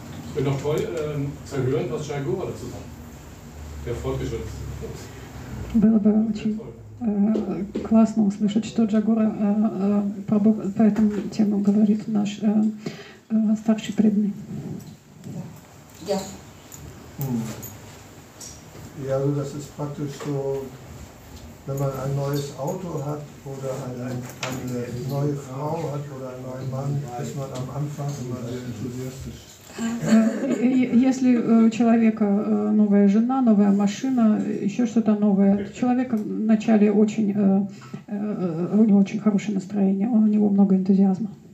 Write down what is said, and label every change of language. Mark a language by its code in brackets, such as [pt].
[de] Es wäre noch toll zu hören, was Jai Guru dazu sagt. Der fortgeschrittene Kurs. [ru] Классно услышать, что Джагура по этому тему говорит наш старший преданный. [de] Ja, also das ist praktisch so, wenn man ein neues Auto hat oder eine neue Frau hat oder einen neuen Mann, ist man am Anfang immer sehr enthusiastisch. [ru] Если у человека новая жена, новая машина, еще что-то новое, то человек вначале очень хорошее настроение, у него много энтузиазма.